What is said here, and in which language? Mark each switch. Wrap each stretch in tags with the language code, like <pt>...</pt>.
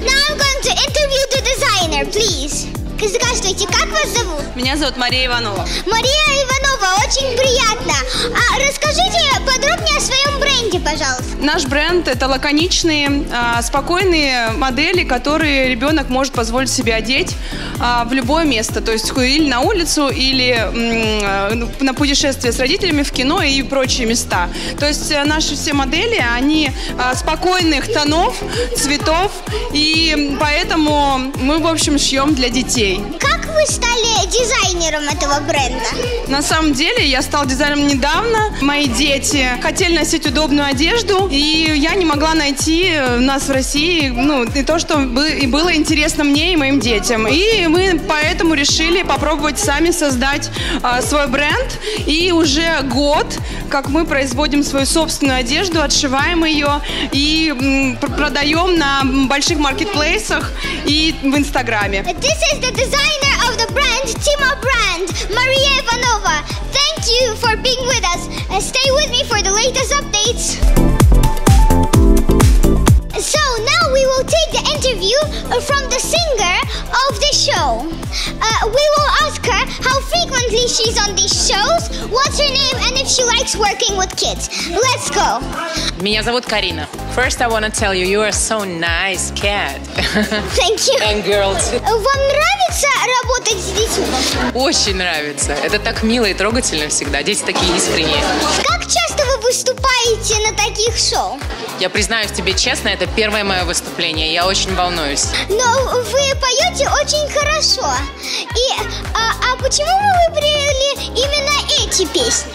<en>Now I'm going to interview the designer, please.</en> <ru>Здравствуйте, как вас зовут? Меня зовут Мария Иванова. Мария Иванова, очень приятно. А расскажите подробнее о своем бренде, пожалуйста. Наш бренд – это лаконичные, спокойные модели, которые ребенок может позволить себе одеть в любое место. То есть или на улицу, или на путешествие с родителями в кино и прочие места. То есть наши все модели, они спокойных тонов, цветов, и поэтому мы, в общем, шьем для детей. Как как вы стали дизайнером этого бренда? На самом деле, я стала дизайнером недавно. Мои дети хотели носить удобную одежду, и я не могла найти у нас в России, ну, и то, что было интересно мне и моим детям. И мы поэтому решили попробовать сами создать свой бренд. И уже год, как мы производим свою собственную одежду, отшиваем ее и продаем на больших маркетплейсах и в Инстаграме.</ru> <en>This is the designer of the brand, Timo Brand, Maria Ivanova. Thank you for being with us. Stay with me for the latest updates. So now we will take the interview from the singer of the show. We will ask her how frequently she's on these shows, what's her name, and if she likes working with kids. Let's go.</en> <ru>Меня зовут Карина.</ru> <en>First, I want to tell you, you are so nice cat. Thank you. And girls.</en> <ru>Вам нравится работать с детьми? Очень нравится. Это так мило и трогательно всегда. Дети такие искренние. Как часто вы выступаете на таких шоу? Я признаюсь тебе честно, это первое мое выступление. Я очень волнуюсь. Но вы поете очень хорошо. И почему вы выбрали именно эти песни?</ru>